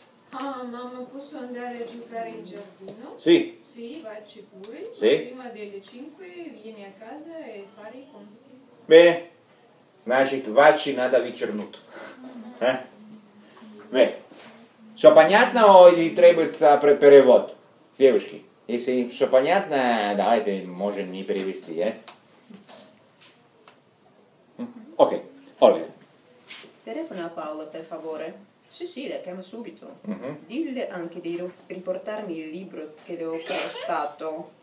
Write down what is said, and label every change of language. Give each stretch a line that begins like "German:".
Italian: Ah, mamma, posso andare a giocare in giardino? Sì. Sì, vacci pure. Sì. Prima delle 5 vieni a casa e fare i compiti. Bene.
Russian: Значит, vacci надо вечернуть.
Italian: Mm-hmm. Bene.
Russian: Все понятно o gli требуется перевод? Девушки, если все понятно, давайте, можем не перевести, Ok.
Italian: Olga. Telefona a Paolo, per favore. Sì, sì, la chiamo subito. Mm-hmm. Dille anche di riportarmi il libro che le ho prestato.